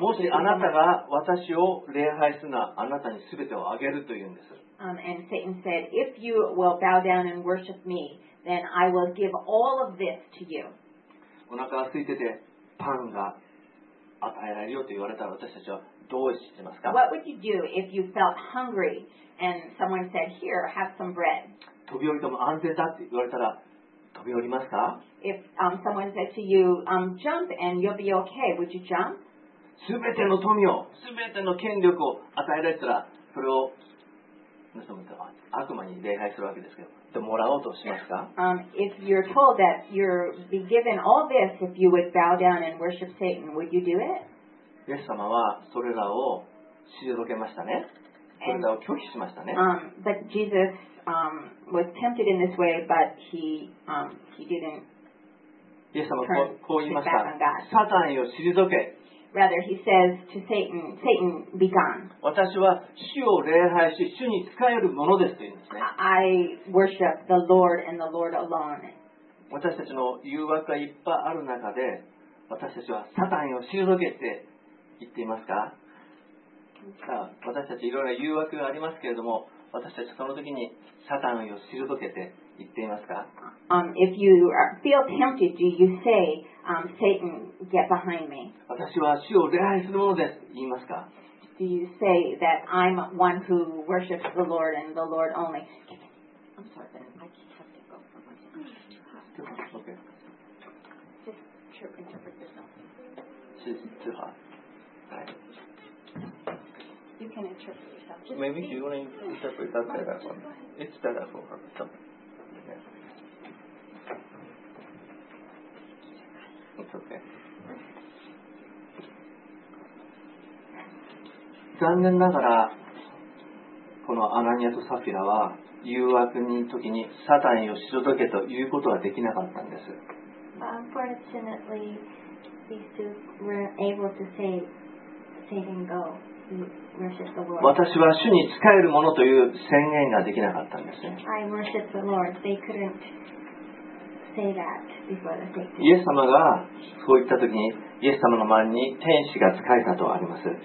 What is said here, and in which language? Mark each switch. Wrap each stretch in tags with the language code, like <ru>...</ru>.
<ja>もしあなたが私を礼拝するならあなたにすべてをあげると言うんです。</ja> <en>And Satan said, if you will bow down and worship me, then I will give all of this to you.</en> <ja>お腹が空いててパンが与えられるよと言われたら私たちはどうしてますか?</ja> <en>What would you do if you felt hungry and someone said, here, have some bread?</en> <ja>飛び降りても安全だって言われたら飛び降りますか?</ja> <en>If someone said to you, jump and you'll be okay, would you jump?</en> <ja>全ての富を、全ての権力を与えられたらそれを盗むと悪魔に礼拝するわけですけど。もらおうとしますか?</ja> <en>If you're told that you'd be given all this if you would bow down and worship Satan, would you do it?</en> <ja>イエス様はそれらを退けましたね。それらを拒否しましたね。</ja> <en>But Jesus was tempted in this way, but he didn't turn back on God.</en> <ja>イエス様はこう言いました。サタンを退け。</ja> <en>Rather, he says to Satan, Satan, be gone.</en> <ja>私は主を礼拝し、主に仕えるものですと言うんですね。</ja> <en>I worship the Lord and the Lord alone.</en> <ja>私たちの誘惑がいっぱいある中で、私たちはサタンを退けて言っていますか? さあ、私たちいろいろ誘惑がありますけれども、私たちその時にサタンを退けて言っていますか。</ja> <en>If you feel tempted, do you say, Satan, get behind me?</en> <ja>私は主を礼拝するものです。言いますか。</ja> <en>Do you say that I'm one who worships the Lord and the Lord only? I'm sorry, then I have to go for my sleep. Okay. Just interpret this off. Thank you. You can interpret yourself. Just maybe you want to interpret that better for me. It's better for her. So. Yeah. It's okay.</en> <ja>残念ながらこのアナニアとサフィラは誘惑の時にサタンを退けということはできなかったんです。</ja> <en>Unfortunately, these two were able to say Satan go, worship the Lord.</en> <ja>私は主に仕えるものという宣言ができなかったんです。</ja> <en>I worship the Lord. They couldn't say that before the Satan.</en> <ja>イエス様がそう言った時にイエス様の前に天使が仕えたとあります。</ja>